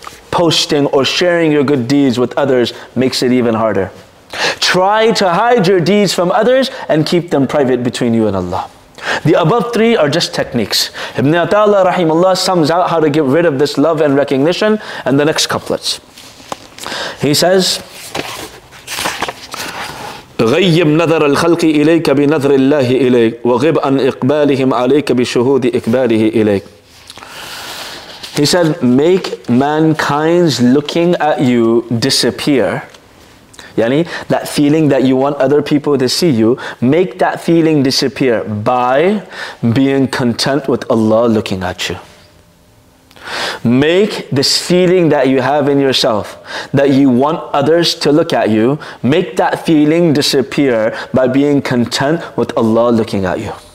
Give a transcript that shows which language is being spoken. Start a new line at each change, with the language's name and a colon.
English: posting or sharing your good deeds with others makes it even harder. Try to hide your deeds from others and keep them private between you and Allah. The above three are just techniques. Ibn Atala rahimullah sums out how to get rid of this love and recognition in the next couplets. He says,
Arabic: غيب نظر الخلق إليك بنظر الله إليك وغب عن إقبالهم عليك بشهود إقباله إليك.
English: He said, make mankind's looking at you disappear. Yani, that feeling that you want other people to see you, make that feeling disappear by being content with Allah looking at you. Make this feeling that you have in yourself, that you want others to look at you, make that feeling disappear by being content with Allah looking at you.